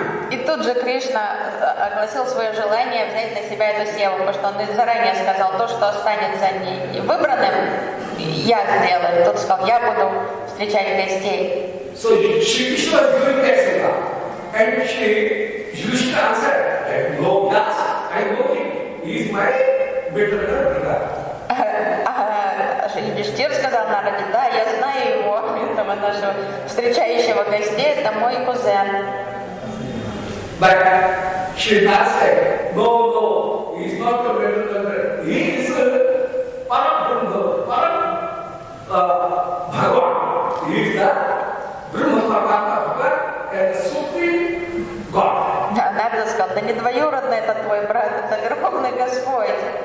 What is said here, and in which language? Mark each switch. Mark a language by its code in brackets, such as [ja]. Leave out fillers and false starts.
[ru] И тут же Кришна огласил свое желание взять на себя эту севу, потому что он заранее сказал, то, что останется не выбранным, я сделаю. Тот сказал, я буду встречать гостей. [en] So Shri Krishna was doing that seva. And she used to answer, no, that's, I know him. He is my bheda-abheda-tattva. [ru] А Шри Кришна сказал Нараде, да, я знаю его, этого нашего встречающего гостей, это мой кузен. [en] But she not said, no, no, he is not a bheda-abheda. He is a param-brahma, param-bhagavan. He is the brahma-parama-bhagavan and supreme God. [ru] Нарада сказал, да не двоюродный это твой брат, это верховный Господь.